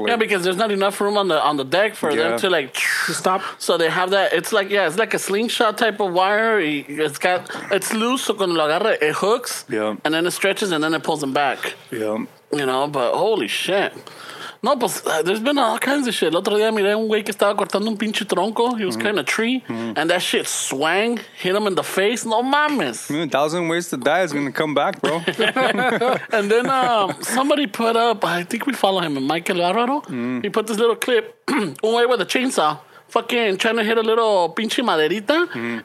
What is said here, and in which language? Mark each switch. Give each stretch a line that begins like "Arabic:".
English: Yeah, because there's not enough room on the deck for them to like to stop. So they have that. It's like it's like a slingshot type of wire. It's loose. So
Spanish: cuando lo agarra,
English: it hooks. Yeah. And then it stretches and then it pulls them back. Yeah. You know, but holy shit.
Spanish: No, pues,
English: there's been all kinds of shit.
Spanish: El otro día miré un güey que estaba cortando un pinche tronco.
English: He was cutting a tree. Mm-hmm. And that shit swang, hit him in the face.
Spanish: No mames.
English: I mean, 1,000 ways to die is going to come back, bro. And then somebody put up, I think we follow him, Michael Alvaro. Mm-hmm. He put this little clip,
Spanish: un güey
English: with a chainsaw, fucking trying to hit a little
Spanish: pinche maderita.
English: Mm-hmm.